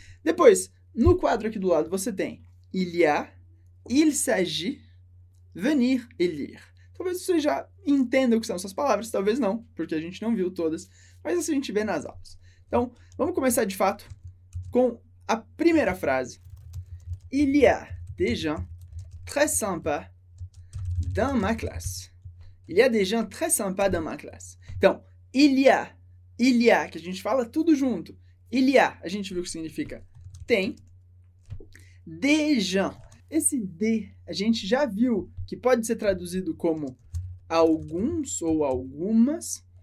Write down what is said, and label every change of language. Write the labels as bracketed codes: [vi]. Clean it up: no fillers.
[pt] Depois, no quadro aqui do lado, você tem il y a, il s'agit, venir et lire. Talvez você já entenda o que são essas palavras, talvez não, porque a gente não viu todas. Mas isso a gente vê nas aulas. Então, vamos começar de fato com a primeira frase. [fr] Il y a des gens très sympas dans ma classe. Il y a des gens très sympas dans ma classe. [pt] Então, il y a, que a gente fala tudo junto. Il y a gente viu o que significa tem. Des gens. Esse de, a gente já viu que pode ser traduzido como alguns ou algumas.